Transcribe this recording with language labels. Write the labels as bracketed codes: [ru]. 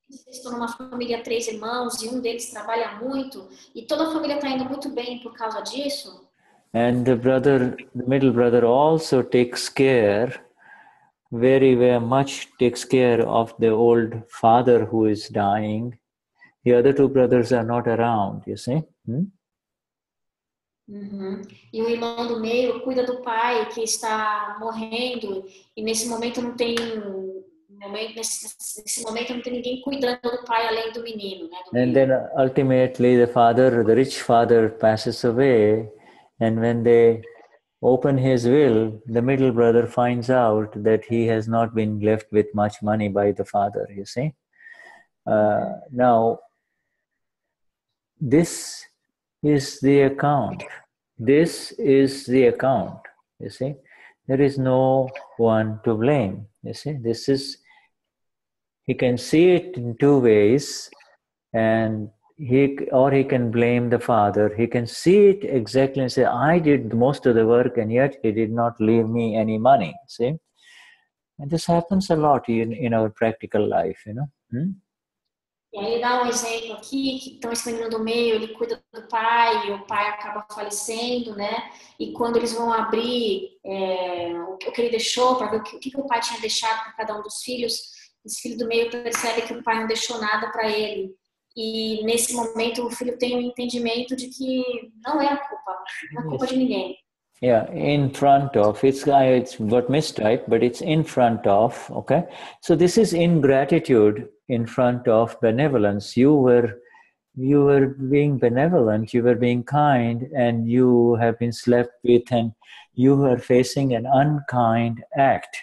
[pt] Estou numa família três irmãos e um deles trabalha muito e toda a família está indo muito bem por causa disso. [en] And the middle brother also takes care very, very much takes care of the old father who is dying. The other two brothers are not around, you see? [pt] E o irmão do meio cuida do pai que está morrendo e nesse momento não tem. [en] And then ultimately the father, the rich father, passes away, and when they open his will, the middle brother finds out that he has not been left with much money by the father, you see. Now, this is the account, you see. There is no one to blame, you see. He can see it in two ways, or he can blame the father. He can see it exactly and say, I did most of the work and yet he did not leave me any money. See? And this happens a lot in our practical life, you know. [pt] E aí dá um exemplo aqui, que estão escondendo do meio, ele cuida do pai, e o pai acaba falecendo, né? E quando eles vão abrir o que ele deixou, para ver o que o pai tinha deixado para cada um dos filhos. Esse filho do meio percebe que o pai não deixou nada para ele. E nesse momento o filho tem um entendimento de que não é a culpa. Não é culpa de ninguém. [en] Yeah, in front of. It's got mistype, but it's in front of. Okay? So this is ingratitude in front of benevolence. You were being benevolent, you were being kind, and you have been slept with, and you are facing an unkind act.